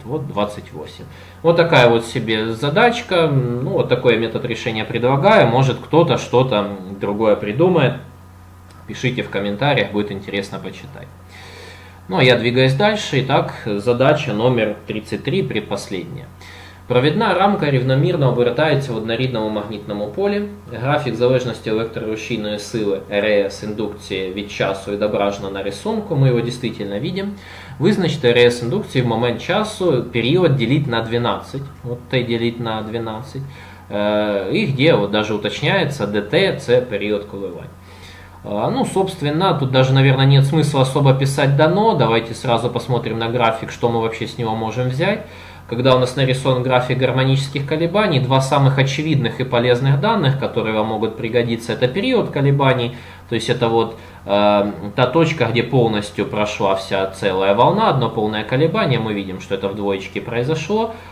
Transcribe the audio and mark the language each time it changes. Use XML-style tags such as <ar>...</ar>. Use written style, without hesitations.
<ru>Вот 28. Вот такая вот себе задачка. Ну, вот такой я метод решения предлагаю. Может, кто-то что-то другое придумает. Пишите в комментариях, будет интересно почитать. Ну, а я двигаюсь дальше. Итак, задача номер 33, предпоследняя.</ru> <uk>Провідна рамка рівномірно обертається в однорідному магнітному полі. Графік залежності електрорушійної сили РС індукції від часу відображено на рисунку. Ми його дійсно бачимо. Визначте РС індукції в момент часу, період діліть на 12. От те діліть на 12. І де, навіть уточняється, ДТ – це період коливань.</uk> <ru>Ну, собственно, тут даже, наверное, нет смысла особо писать дано. Давайте сразу посмотрим на график, что мы вообще с него можем взять. Когда у нас нарисован график гармонических колебаний, два самых очевидных и полезных данных, которые вам могут пригодиться, это период колебаний, то есть это вот та точка, где полностью прошла вся целая волна, одно полное колебание, мы видим, что это в двоечке произошло.</ru>